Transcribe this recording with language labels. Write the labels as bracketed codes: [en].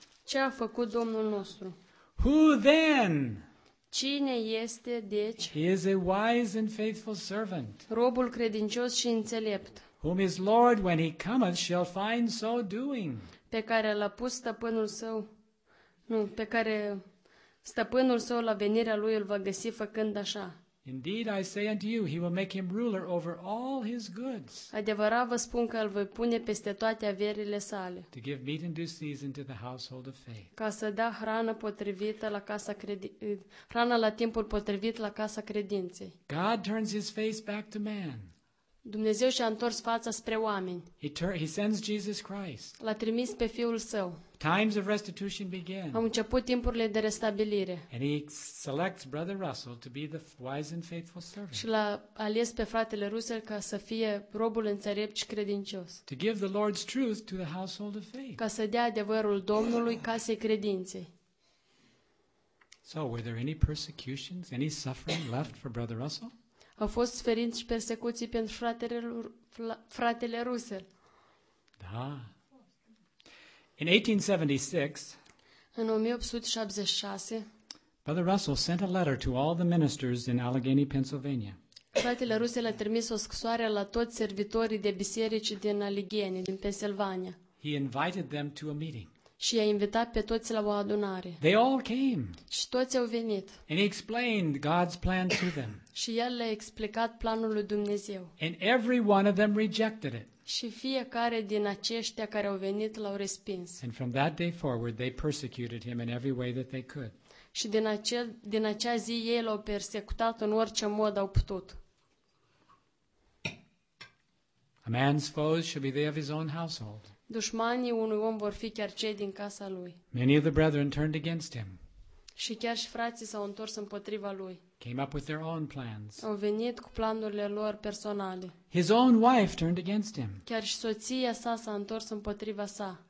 [ro] Ce a făcut Domnul nostru? [en] Who then? [ro] Cine este, deci? [en] He is a wise and faithful servant. [ro] Robul credincios și înțelept. [en] Whom his Lord, when he cometh, shall find so doing. [ro] Pe care l-a pus stăpânul său. Nu, pe care stăpânul său la venirea lui îl va găsi făcând așa. [en] Indeed, I say unto you, he will make him ruler over all his goods. [ro] Adevărat vă spun că îl voi pune peste toate averile sale. [en] To give meat in due season to the household of faith. [ro] Ca să dea hrană potrivită la casa hrană la timpul potrivit la casa credinței. [en] God turns his face back to man. [ro] Dumnezeu și-a întors fața spre oameni. [en] He sends Jesus Christ. [ro] L-a trimis pe Fiul Său. [en] Times of restitution began. [ro] Au început timpurile de restabilire. [en] And he selects Brother Russell to be the wise and faithful servant. [ro] Și l-a ales pe fratele Russell ca să fie robul înțelept și credincios. [en] To give the Lord's truth to the household of faith. [ro] Ca să dea adevărul Domnului casei credinței. [en] So, were there any persecutions, any suffering left for Brother Russell? [ro] Au fost suferințe și persecuții pentru fratele Russell. Da. [en] In 1876, [ro] în 1876, [en] Brother Russell sent a letter to all the ministers in Allegheny, Pennsylvania. [ro] Fratele Russell a trimis o scrisoare la toți servitorii de biserici din Allegheny, din Pennsylvania. [en] He invited them to a meeting. [ro] Și i-a invitat pe toți la o adunare. [en] They all came. [ro] Și toți au venit. [en] And he explained God's plan to them. [ro] Și el le-a explicat planul lui Dumnezeu. [en] And every one of them rejected it. [ro] Și fiecare din aceștia care au venit l-au respins. [en] And from that day forward they persecuted him in every way that they could. [ro] Și din acea zi ei l-au persecutat în orice mod au putut. [en] A man's foes shall be they of his own household. [ro] Dușmanii unui om vor fi chiar cei din casa lui. [en] Many of the brethren turned against him. [ro] Și chiar și frații s-au întors împotriva lui. [en] Came up with their own plans. [ro] Au venit cu planurile lor personale. [en] His own wife turned against him. [ro] Chiar și soția sa s-a întors împotriva sa.